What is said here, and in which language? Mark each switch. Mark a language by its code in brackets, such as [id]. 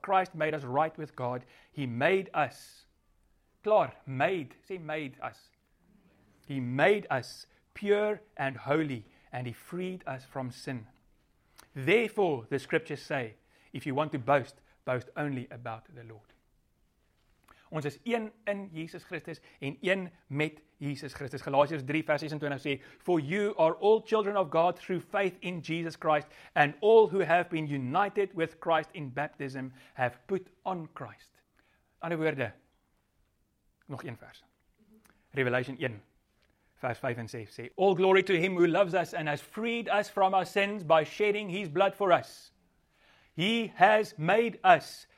[en] Christ made us right with God. He made us. [af] Klaar, [en] made. [af] Sê [en] made us. He made us pure and holy, and he freed us from sin. Therefore, the scriptures say, if you want to boast, boast only about the Lord. [af] Ons is een in Jesus Christus en een met Jesus Christus. Galasiërs 3 vers 26 sê, [en] for you are all children of God through faith in Jesus Christ, and all who have been united with Christ in baptism have put on Christ. [af] Ander woorde, nog een vers. [en] Revelation 1 [af] vers 5 en 6 sê, [en] all glory to him who loves us and has freed us from our sins by shedding his blood for us. He has made us